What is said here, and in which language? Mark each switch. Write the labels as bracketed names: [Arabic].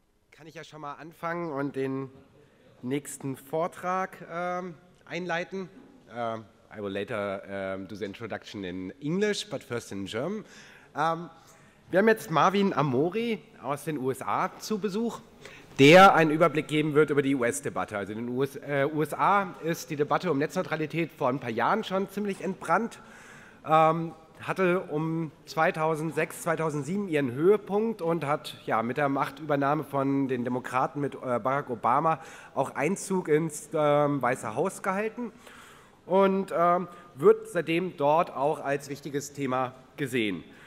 [German] kann ich ja schon mal anfangen und den nächsten Vortrag einleiten. [English] I will later do the introduction in English, but first in German. [German] Wir haben jetzt Marvin Ammori aus den USA zu Besuch, der einen Überblick geben wird über die US-Debatte. Also in den USA ist die Debatte um Netzneutralität vor ein paar Jahren schon ziemlich entbrannt, hatte um 2006, 2007 ihren Höhepunkt und hat ja mit der Machtübernahme von den Demokraten mit Barack Obama auch Einzug ins Weiße Haus gehalten und wird seitdem dort auch als wichtiges Thema gesehen.